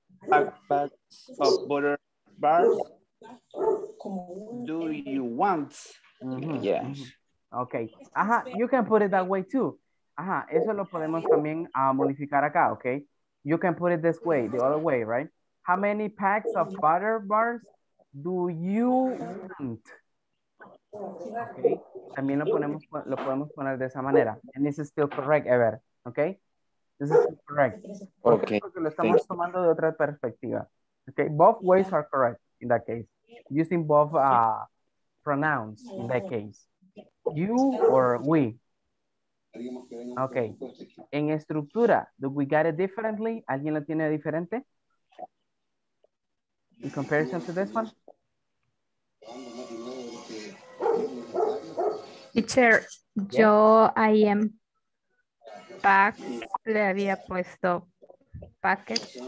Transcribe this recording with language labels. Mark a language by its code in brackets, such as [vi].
[en] Many packs of butter bars do you want? Mm-hmm. Yes. Mm-hmm. Okay. Ajá, you can put it that way too. [es] Ajá, eso lo podemos también modificar acá, okay? [en] You can put it this way, the other way, right? How many packs of butter bars do you want? [es] Okay, también lo podemos poner de esa manera. [en] And this is still correct, Ever. Okay, this is still correct. Okay, [es] porque lo estamos tomando de otra perspectiva. [en] Okay, both ways are correct in that case. Using both pronouns in that case, you or we. [es] Okay, en estructura, [en] do we got it differently? [es] ¿Alguien lo tiene diferente? Sí, [en] in comparison to this one? [es] Teacher, yo, [en] I am packs, [es] le había puesto packet.